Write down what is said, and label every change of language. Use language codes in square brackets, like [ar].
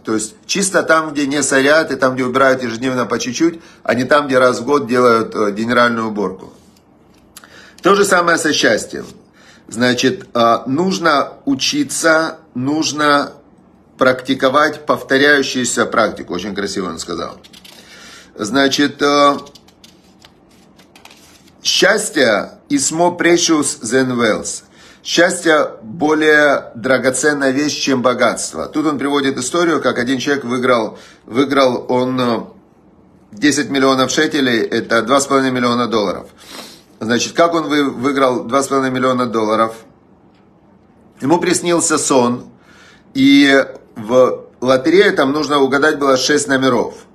[ru] То есть чисто там, где не сорят, и там, где убирают ежедневно по чуть-чуть, а не там, где раз в год делают генеральную уборку. То же самое со счастьем. Значит, нужно учиться, нужно практиковать повторяющуюся практику. Очень красиво он сказал. Значит, счастье [en] is more precious than wealth. [ru] Счастье более драгоценная вещь, чем богатство. Тут он приводит историю, как один человек выиграл он 10 миллионов шекелей, это 2,5 миллиона долларов. Значит, как он выиграл 2,5 миллиона долларов? Ему приснился сон, и в лотерее там нужно угадать было 6 номеров.